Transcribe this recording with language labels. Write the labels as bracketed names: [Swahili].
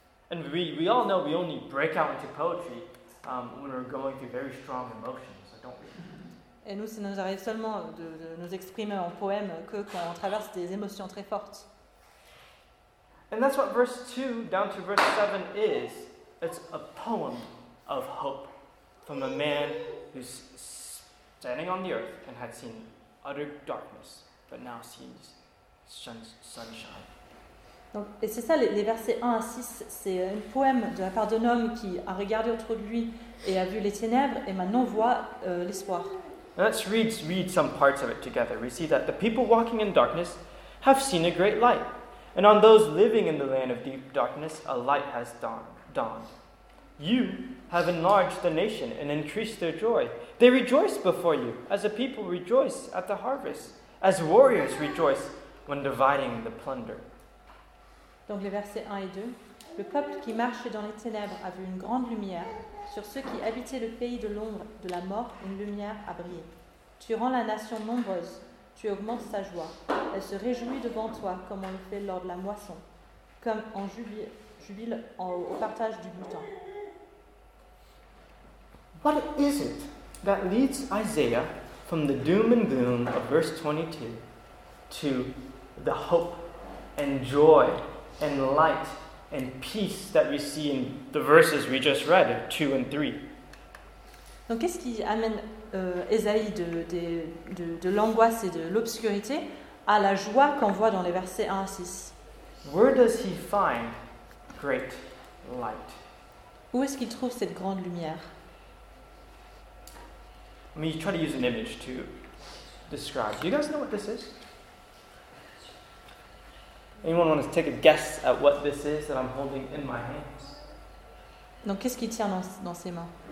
[English] And we all know we only break out into poetry when we're going through very strong emotions, don't we? [French] Et nous, ça nous arrive seulement de nous exprimer en poème que quand on traverse des émotions très fortes. [English] And that's what verse 2 down to verse 7 is. It's a poem of hope from a man who's standing on the earth and had seen utter darkness, but now sees sunshine. [French] Donc, et c'est ça, les versets 1 à 6, c'est un poème de la part d'un homme qui a regardé autour de lui et a vu les ténèbres et maintenant voit l'espoir. [English] Let's read some parts of it together. We see that the people walking in darkness have seen a great light. And on those living in the land of deep darkness, a light has dawned. You have enlarged the nation and increased their joy. They rejoice before you, as a people rejoice at the harvest, as warriors rejoice when dividing the plunder. [French] Donc les versets 1 et 2. Le peuple qui marchait dans les ténèbres a vu une grande lumière. Sur ceux qui habitaient le pays de l'ombre, de la mort, une lumière a brillé. Tu rends la nation nombreuse. Tu augmentes sa joie. Elle se réjouit devant toi comme on le fait lors de la moisson, comme on jubile au partage du butin. [English] What is it that leads Isaiah from the doom and gloom of verse 22 to the hope and joy and light and peace that we see in the verses we just read, 2 and 3? [French] Donc qu'est-ce qui amène Esaïe de l'angoisse et de l'obscurité à la joie qu'on voit dans les versets 1 à 6? [English] Where does he find great light? [French] Où est-ce qu'il trouve cette grande lumière? [English] Let me try to use an image to describe. Do you guys know what this is? Anyone want to take a guess at what this is that I'm holding in my hands? [French] Donc qu'est-ce qu'il tient dans ses mains?